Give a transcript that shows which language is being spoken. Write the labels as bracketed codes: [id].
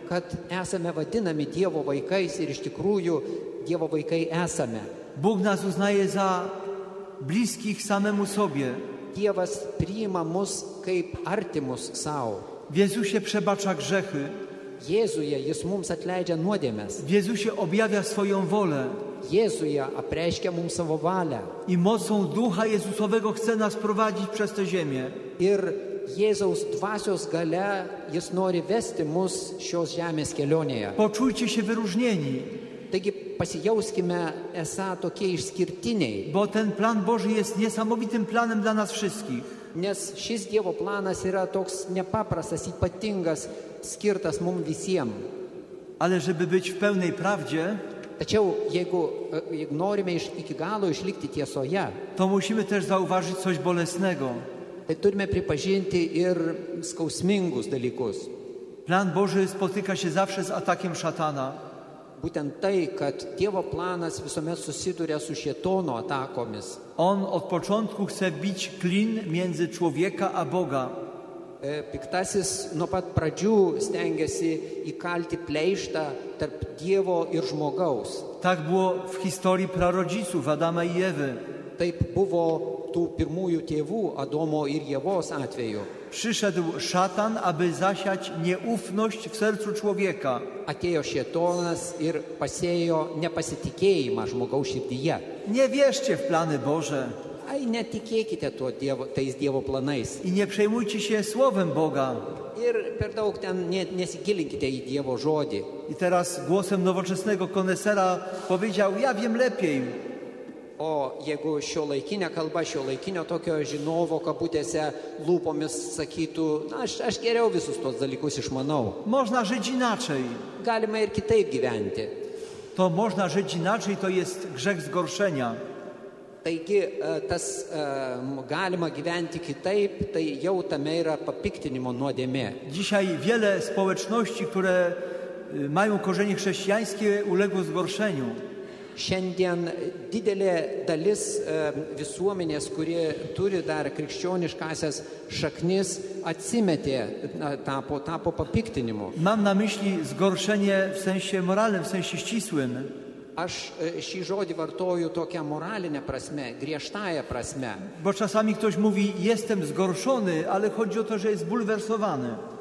[lt] Kad esame vadinami Dievo vaikais ir iš tikrųjų Dievo vaikai esame. [pl] Bóg nas uznaje za bliskich samemu sobie. [lt] Dievas priima mus kaip artimus sau. [pl] W Jezusie przebacza grzechy. [lt] Jėzuje jis mums atleidžia nuodėmes. [pl] W Jezusie objawia swoją wolę. [lt] Jėzuje apreiškia mums savo valią. [pl] I mocą Ducha Jezusowego chce nas prowadzić przez tę ziemię. [lt] Ir Jėzaus dvasios galia jis nori vesti mus šios žemės kelionėje. [pl] Poczujcie się wyróżnieni. [lt] Taigi pasijauskime esą tokie išskirtiniai. [pl] Bo ten plan Boży jest niesamowitym planem dla nas wszystkich. [lt] nes šis Dievo planas yra toks nepaprastas, ypatingas, skirtas mums visiems. [pl] Ale żeby być w pełnej prawdzie, [lt] tačiau, jeigu norime iki galo išlikti tiesoje, [pl] to musimy też zauważyć coś bolesnego. [lt] Tai turime pripažinti ir skausmingus dalykus. [pl] Plan Boży spotyka się zawsze z atakiem szatana. [lt] Būtent tai, kad Dievo planas visuomet susiduria su Šėtono atakomis. [pl] On od początku chce bić klin między człowieka a Boga. [lt] Piktasis nuo pat pradžių stengiasi įkalti pleištą tarp Dievo ir žmogaus. [pl] Tak buvo v historii prarodžicų, Adama i Evy. [lt] Taip buvo tų pirmųjų tėvų, Adomo ir Jevos atveju. [pl] Przyszedł szatan, aby zasiać nieufność w sercu człowieka. [lt] Atėjo Šėtonas ir pasėjo nepasitikėjimą žmogaus širdyje. [pl] Nie wierzcie w plany Boże. [lt] Ai, netikėkite tais Dievo planais. [pl] I nie przejmujcie się słowem Boga. [lt] Ir per daug ten nesigilinkite į Dievo žodį. [pl] I teraz głosem nowoczesnego konesera powiedział, ja wiem lepiej. [lt] O jeigu šiuolaikinė kalba, šiuolaikinio tokio žinovo kabutėse lūpomis sakytų, na, aš geriau visus tos dalykus išmanau. [pl] Można żyć inaczej. [lt] Galima ir kitaip gyventi. [pl] To można żyć inaczej, to jest grzech zgorszenia. [lt] Taigi, tas galima gyventi kitaip, tai jau tame yra papiktinimo nuodėmė. [pl] Dzisiaj wiele społeczności, które mają korzenie chrześcijańskie, uległo zgorszeniu. [lt] Šiandien didelė dalis visuomenės, kurie turi dar krikščioniškasias šaknis, atsimetė tapo papiktinimu. [pl] Mam na myśli zgorszenie w sensie moralnym, w sensie ścisłym. [lt] Aš šį žodį vartoju tokią moralinę prasme, griežtąją prasme. [pl] Bo czasami ktoś mówi, jestem zgorszony, ale chodzi o to, że jest bulwersowany.